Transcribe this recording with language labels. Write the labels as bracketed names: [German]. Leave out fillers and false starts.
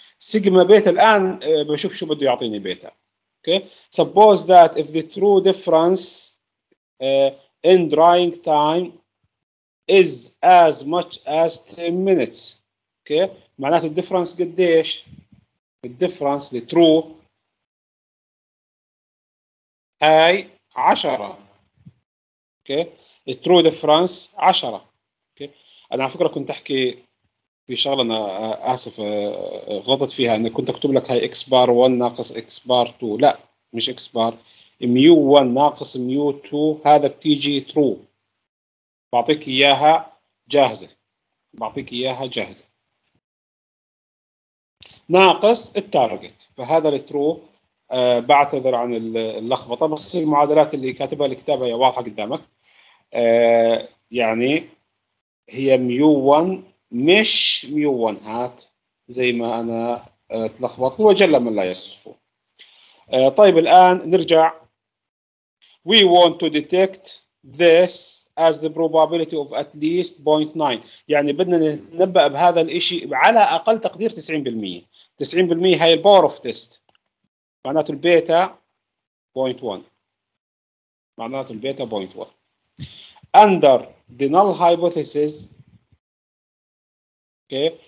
[Arabic] سيجما بيتا الآن بشوف شو بده يعطيني بيتا. [English] Okay. Suppose that if the true difference in drying time is as much as 10 minutes. Okay. [Arabic] معناته الديفرنس قديش؟ الديفرنس لترو هاي 10. اوكي الترو ديفرنس 10. اوكي انا على فكره كنت احكي في شغله انا اسف غلطت فيها، اني كنت اكتب لك هاي اكس بار 1 ناقص اكس بار 2. لا مش اكس بار، ميو 1 ناقص ميو 2 هذا بتيجي ترو. بعطيك اياها جاهزه، بعطيك اياها جاهزه ناقص التارجت. فهذا الترو بعتذر عن اللخبطه، بس المعادلات اللي كاتبها الكتابه هي واضحه قدامك. يعني هي ميو 1 مش ميو 1 هات زي ما انا تلخبط، هو جل من لا يصفه. طيب الان نرجع. [English] We want to detect this as the probability of at least 0.9. [Arabic] يعني بدنا نتنبأ بهذا الإشي على أقل تقدير 90%. 90% هاي الـ power of test، معناته البيتا 0.1، معناته البيتا 0.1. [English] Under the null hypothesis، okay.